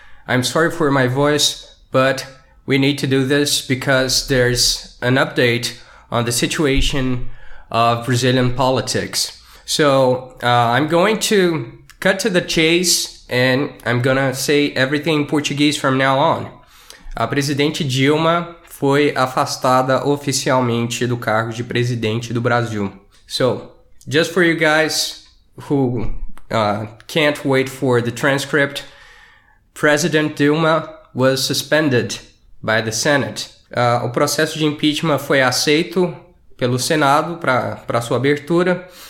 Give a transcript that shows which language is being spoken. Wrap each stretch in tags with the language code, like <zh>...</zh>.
<en>I'm sorry for my voice, but we need to do this because there's an update on the situation of Brazilian politics. So I'm going to cut to the chase, and I'm going to say everything in Portuguese from now on.</en> <pt>A presidente Dilma foi afastada oficialmente do cargo de presidente do Brasil.</pt> <en>So, just for you guys who can't wait for the transcript, President Dilma was suspended by the Senate.</en> <pt>O processo de impeachment foi aceito pelo Senado para sua abertura.</pt>